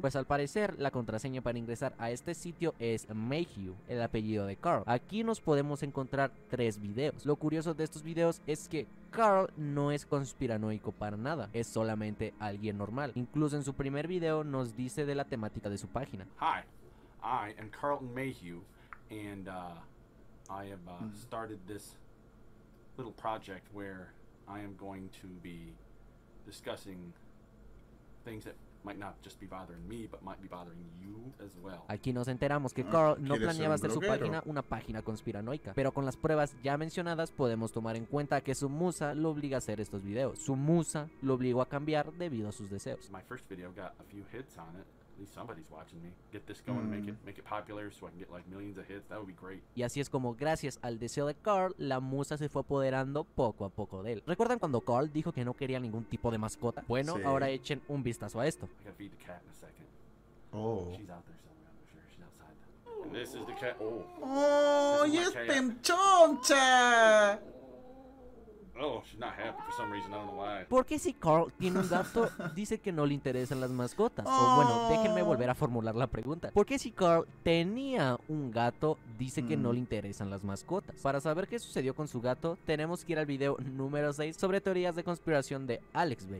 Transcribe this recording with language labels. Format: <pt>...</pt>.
<es>Pues al parecer, la contraseña para ingresar a este sitio es Mayhew, el apellido de Carl. Aquí nos podemos encontrar tres videos. Lo curioso de estos videos es que Carl no es conspiranoico para nada, es solamente alguien normal. Incluso en su primer video nos dice de la temática de su página.</es> <en>Hi. I am Carlton Mayhew, and I have started this little project where I am going to be discussing things that might not just be bothering me, but might be bothering you as well.</en> <es>Aquí nos enteramos que Carl no planeaba hacer su página una página conspiranoica, pero con las pruebas ya mencionadas podemos tomar en cuenta que su musa lo obliga a hacer estos videos. Su musa lo obligó a cambiar debido a sus deseos.</es> <en>My first video got a few hits on it. Somebody's watching me. Get this going, make it popular so I can get like millions of hits. That would be great.</en> <es>Y así es como, gracias al deseo de Carl, la musa se fue apoderando poco a poco de él. ¿Recuerdan cuando Carl dijo que no quería ningún tipo de mascota? Bueno, ahora echen un vistazo a esto.</es> <en>I gotta feed the cat in a second. Oh. She's out there somewhere, I'm sure. She's outside. And this is the cat. Oh. Oh, yes, pinchoncha. Oh, she's not happy for some reason, I don't know why.</en> <es>Porque si Carl tiene un gato, dice que no le interesan las mascotas. O bueno, déjenme volver a formular la pregunta. Porque si Carl tenía un gato, dice que no le interesan las mascotas. Para saber qué sucedió con su gato, tenemos que ir al video número 6 sobre teorías de conspiración de Alex Bay.</es>